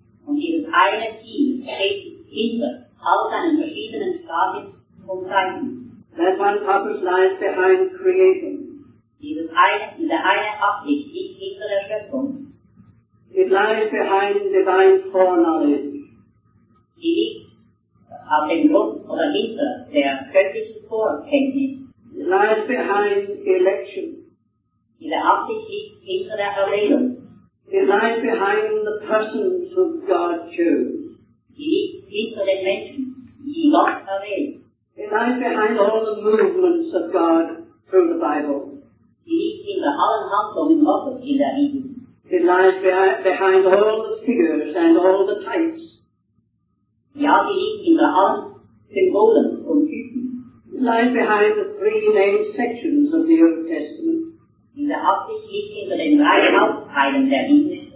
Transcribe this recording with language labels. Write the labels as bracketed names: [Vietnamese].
[German] Und dieses eine Ziel steht hinter all seinen verschiedenen Stadien und Seiten. [English] That one purpose lies behind creation. [German] Diese eine Absicht liegt hinter der Schöpfung. [English] It lies behind divine foreknowledge. [German] Die liegt auf dem Grund oder hinter der göttlichen Vorkenntnis. [English] Lies behind election. [German] Diese Absicht liegt hinter der Erwählung. [English] It lies behind the persons whom God chose. [German] Die liegt hinter den Menschen, die Gott erwählt. [English] It lies behind all the movements of God through the Bible. [German] Die liegt hinter allen Handlungen Gottes in der Bibel. [English] It lies behind all the figures and all the types. [German] Ja, die liegt in der Hand, Symbolen und Typen. [English] Lies behind the three main sections of the Old Testament. [German] Diese Absicht liegt hinter den drei Hauptteilen der Bibel.